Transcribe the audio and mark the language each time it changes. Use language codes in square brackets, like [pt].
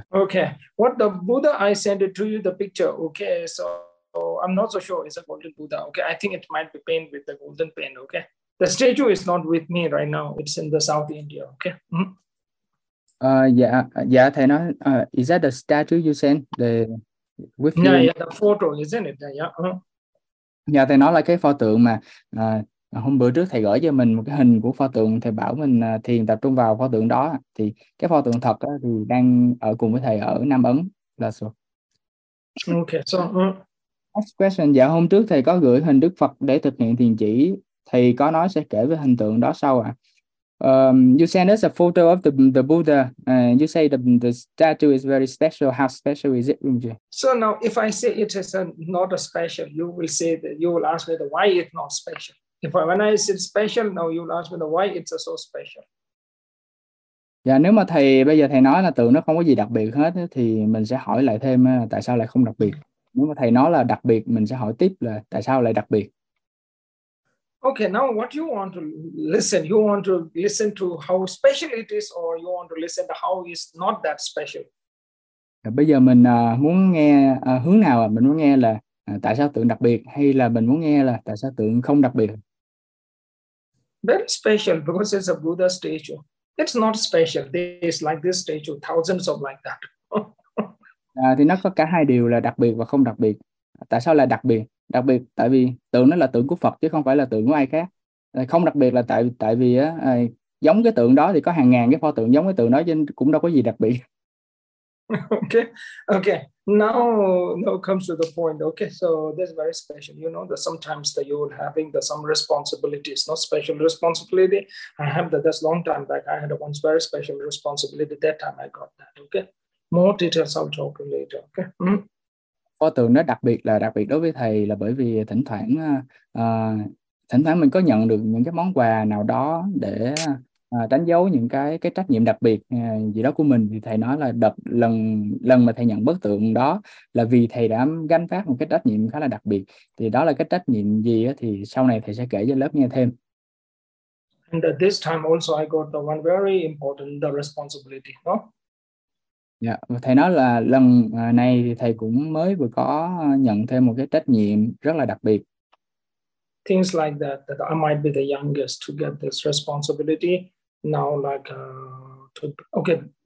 [en] Okay, what the Buddha I sent it to you the picture. Okay, so I'm not so sure it's a golden Buddha. Okay, I think it might be painted with the golden paint. Okay, the statue is not with me right now. It's in the South India. Okay. Mm-hmm. Yeah, [vi] thầy nói, [en] is that the statue you sent the with yeah, you? Yeah, the photo, isn't it? Yeah. Uh-huh. [vi] Yeah, thầy nói là cái pho tượng mà hôm bữa trước thầy gửi cho mình một cái hình của pho tượng, thầy bảo mình thiền tập trung vào pho tượng đó. Thì cái pho tượng thật đó thì đang ở cùng với thầy ở Nam Ấn. [en] That's all. Okay, so next question. [vi] Dạ, hôm trước thầy có gửi hình Đức Phật để thực hiện thiền chỉ. Thầy có nói sẽ kể về hình tượng đó sau ạ. [en] You sent us a photo of the Buddha. You say the statue is very special. How special is it, Rinpoche? So now, if I say it is not a special, you will say that you will ask me the why it's not special. If I, when I said special, now you will ask me the why it's so special. [vi] Dạ, nếu mà thầy bây giờ thầy nói là tượng nó không có gì đặc biệt hết thì mình sẽ hỏi lại thêm tại sao lại không đặc biệt. Nếu mà thầy nói là đặc biệt, mình sẽ hỏi tiếp là tại sao lại đặc biệt. [en] Okay, now what you want to listen? You want to listen to how special it is, or you want to listen to how it's not that special? [vi] Bây giờ mình muốn nghe hướng nào? Mình muốn nghe là tại sao tượng đặc biệt, hay là mình muốn nghe là tại sao tượng không đặc biệt? [en] Very special because it's a Buddha statue. It's not special. It's like this statue, thousands of like that. [vi] Thì nó có cả hai điều là đặc biệt và không đặc biệt. Tại sao là đặc biệt? Đặc biệt tại vì tượng nó là tượng của Phật chứ không phải là tượng của ai khác. Không đặc biệt là tại vì giống cái tượng đó thì có hàng ngàn cái pho tượng giống cái tượng đó chứ cũng đâu có gì đặc biệt. [en] Okay. Okay. Now comes to the point. Okay. So this is very special. You know that sometimes that you will having the some responsibilities, not special responsibility. I have that this long time back. I had a once very special responsibility that time I got that. Okay. More details I'll talk later. Okay. Mm-hmm. [vi] Pho tượng nó đặc biệt đối với thầy là bởi vì thỉnh thoảng mình có nhận được những cái món quà nào đó để đánh dấu những cái trách nhiệm đặc biệt gì đó của mình. Thì thầy nói là đợt lần lần mà thầy nhận bức tượng đó là vì thầy đã gánh vác một cái trách nhiệm khá là đặc biệt. Thì đó là cái trách nhiệm gì đó, thì sau này thầy sẽ kể cho lớp nghe thêm. [en] And at this time also I got the one very important the responsibility, no? Dạ, yeah. [vi] Thầy nói là lần này thì thầy cũng mới vừa có nhận thêm một cái trách nhiệm rất là đặc biệt. [en] Things like that, that I might be the youngest to get this responsibility. Now like, to, okay,